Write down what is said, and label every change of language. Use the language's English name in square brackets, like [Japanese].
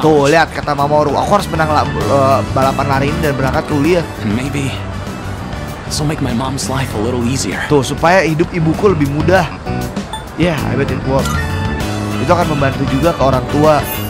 [Indonesian] Tuh, lihat kata Mamoru, aku harus menang balapan lari ini dan berangkat kuliah. [English] Maybe this will make my mom's life a little easier. [Indonesian] Tuh, supaya hidup ibuku lebih mudah. [English] Yeah, I bet it works. [Indonesian] Itu akan membantu juga ke orang tua.